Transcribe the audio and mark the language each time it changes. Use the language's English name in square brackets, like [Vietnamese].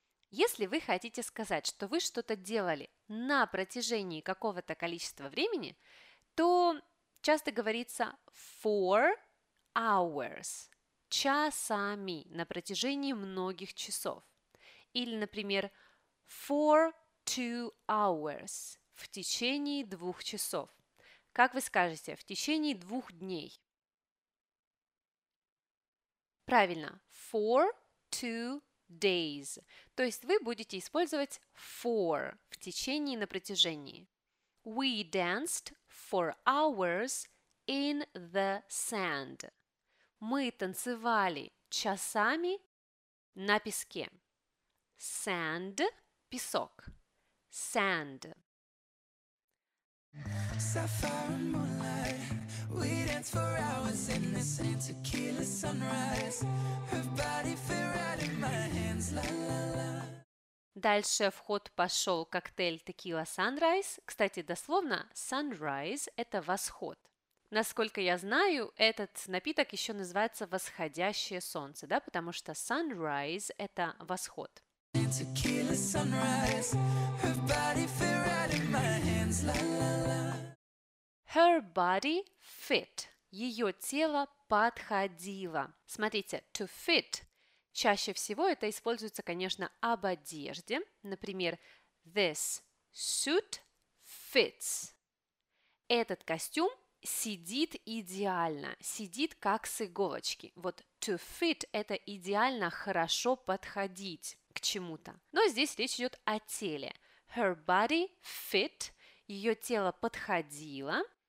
[Russian] Если вы хотите сказать, что вы что-то делали на протяжении какого-то количества времени, то часто говорится [English] for hours, [Russian] часами, на протяжении многих часов. Или, например, [English] for two hours, [Russian] в течение двух часов. Как вы скажете, в течение двух дней? Правильно, [English] for two days. [Russian] То есть вы будете использовать for в течение, на протяжении. [English] We danced for hours in the sand. [Russian] Мы танцевали часами на песке. [English] Sand – песок. Sand. Sapphire and moonlight, we dance for hours in the sand, tequila sunrise, her body fit right in my hands, la la la. [Russian] Дальше в ход пошел коктейль Tequila Sunrise. Кстати, дословно sunrise – это восход. Насколько я знаю, этот напиток еще называется восходящее солнце, да, потому что sunrise – это восход. [English] Her body fit. [Russian] Ее тело подходило. Смотрите, to fit. Чаще всего это используется, конечно, об одежде. Например, [English] this suit fits. [Russian] Этот костюм сидит идеально, сидит как с иголочки. Вот to fit – это идеально хорошо подходить к чему-то. Но здесь речь идет о теле. [English] Her body fit. [Russian] Ее тело подходило.